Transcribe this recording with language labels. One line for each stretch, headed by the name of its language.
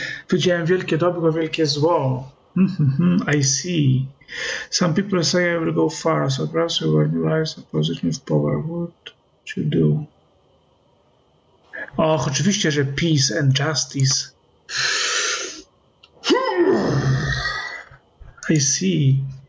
Polish: Widziałem wielkie dobro, wielkie zło.
English: I see. Some people say I will go far, so perhaps I will realize a position of power. What to do?
Polish: Och, oczywiście, że
English: peace and justice. I see.